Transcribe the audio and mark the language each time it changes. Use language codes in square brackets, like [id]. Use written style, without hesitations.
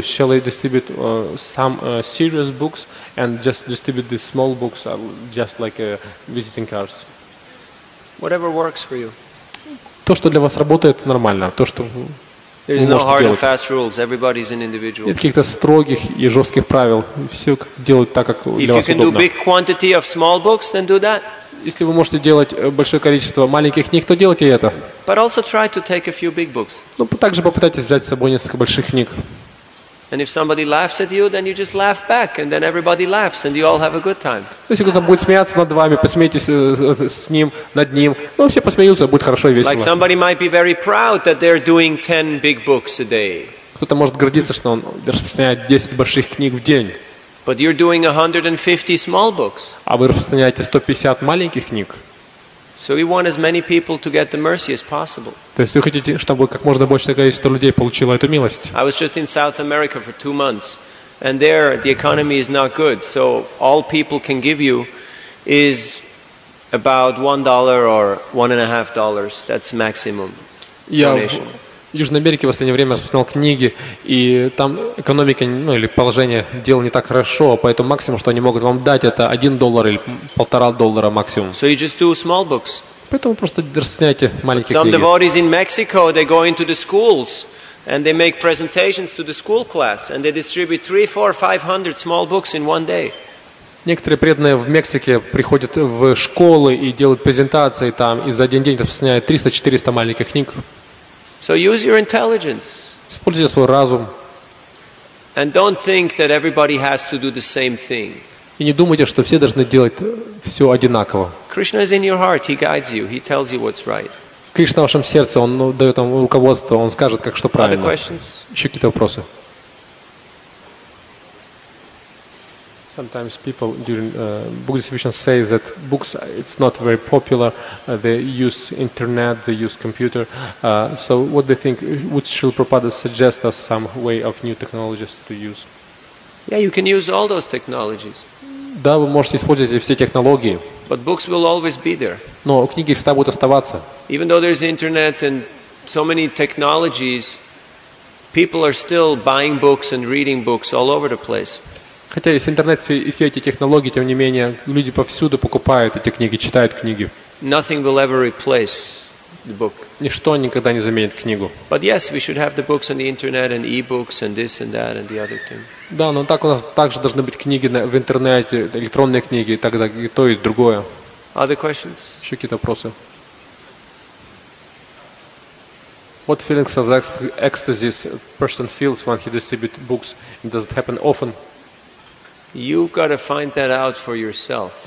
[en] Shall I distribute some serious books and just distribute the small books just like visiting cards? Whatever works for you. [ru] То, что для вас работает, нормально. То, что [en] There's no hard and fast rules. Everybody's an individual. [ru] Нет каких-то строгих и жестких правил. Все делают так, как для вас удобно. [en] If you can do big quantity of small books, then do that. [ru] Если вы можете делать большое количество маленьких книг, то делайте это. [en] But also try to take a few big books. [ru] Ну, также попытайтесь взять с собой несколько больших книг. [en] And if somebody laughs at you, then you just laugh back, and then everybody laughs, and you all have a good time. [ru] Если кто-то будет смеяться над вами, посмейтесь с ним, над ним. Ну, все посмеются, будет хорошо и весело. [en] Like somebody might be very proud that they're doing 10 big books a day. [ru] Кто-то может гордиться, что он распространяет 10 больших книг в день. [en] But you're doing 150 small books. [ru] А вы распространяете 150 маленьких книг. [en] So we want as many people to get the mercy as possible. [ru] То есть вы хотите, чтобы как можно большее количество людей получило эту милость? [en] I was just in South America for 2 months, and there the economy is not good, so all people can give you is about $1 or $1.50. That's maximum donation. [ru] В Южной Америке в последнее время распространял книги, и там экономика, ну или положение дел не так хорошо, поэтому максимум, что они могут вам дать, это $1 или $1.50 максимум. [en] So you just do small books. [ru] Поэтому просто распространяйте маленькие книги. [en] Some devotees in Mexico, they go into the schools and they make presentations to the school class and they distribute 300-500 small books in one day. [ru] Некоторые преданные в Мексике приходят в школы и делают презентации там, и за один день распространяют 300-400 маленьких книг. [en] So use your intelligence. [ru] Используйте свой разум. [en] And don't think that everybody has to do the same thing. [ru] И не думайте, что все должны делать все одинаково. [en] Krishna is in your heart. He guides you. He tells you what's right. [ru] Кришна в вашем сердце. Он дает вам руководство. Он скажет, как что правильно. [en] Other questions? [ru] Еще какие-то вопросы? [en] Sometimes people during book distribution say that books it's not very popular. They use internet, they use computer. So what do you think? Would Srila Prabhupada suggest us some way of new technologies to use? Yeah, you can use all those technologies. [ru] Да, вы можете использовать все технологии. [en] But books will always be there. [ru] Но книги всегда будут оставаться. [en] Even though there's internet and so many technologies, people are still buying books and reading books all over the place. [ru] Хотя есть интернет и все эти технологии, тем не менее, люди повсюду покупают эти книги, читают книги. [en] Nothing will ever replace the book. [ru] Ничто никогда не заменит книгу. [en] But yes, we should have the books on the internet and e-books and this and that and the other thing. [ru] Да, но так у нас также должны быть книги в интернете, электронные книги и так далее, и то, и другое. [en] Other questions? [ru] Еще какие-то вопросы? [en] What feelings of ecstasy a person feels when he distributes books? Does it happen often? You've got to find that out for yourself.